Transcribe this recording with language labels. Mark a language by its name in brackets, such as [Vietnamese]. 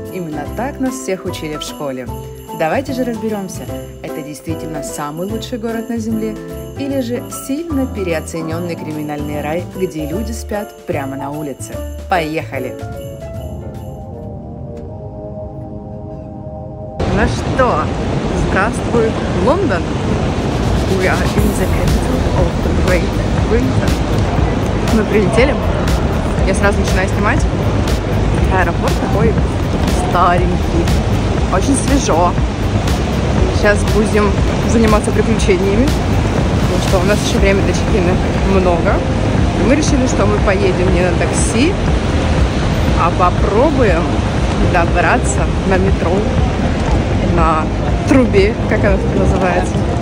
[Russian] Именно так нас всех учили в школе. Давайте же разберемся, это действительно самый лучший город на Земле или же сильно переоцененный криминальный рай, где люди спят прямо на улице. Поехали! Ну что, здравствуй, Лондон! [English] We are in the capital of the Great Britain. [Russian] Мы прилетели. Я сразу начинаю снимать. Аэропорт такой старенький, очень свежо. Сейчас будем заниматься приключениями, потому что у нас еще время до чекина много. И мы решили, что мы поедем не на такси, а попробуем добраться на метро, на трубе, как она так называется.